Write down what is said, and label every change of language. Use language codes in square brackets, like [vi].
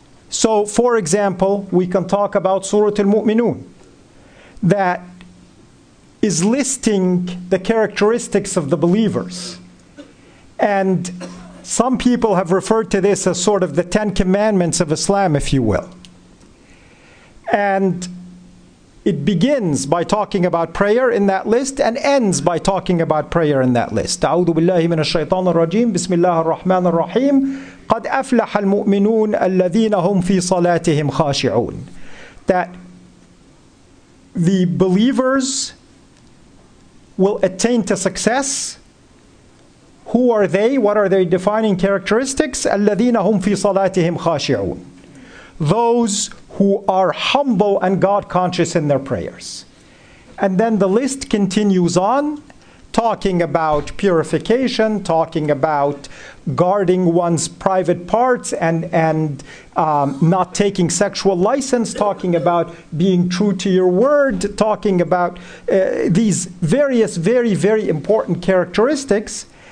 [en] So, for example, we can talk about Surah Al-Mu'minun that is listing the characteristics of the believers. And some people have referred to this as sort of the Ten Commandments of Islam, if you will. And it begins by talking about prayer in that list and ends by talking about prayer in that list. [ar] أعوذ بالله من الشيطان الرجيم بسم الله الرحمن الرحيم قد أفلح المؤمنون الذين هم في صلاتهم خاشعون. [en] That the believers will attain to success. Who are they? What are their defining characteristics? [ar] الذين هم في صلاتهم خاشعون. [en] Those who are humble and God-conscious in their prayers. And then the list continues on, talking about purification, talking about guarding one's private parts and not taking sexual license, talking about being true to your word, talking about these various very, very important characteristics.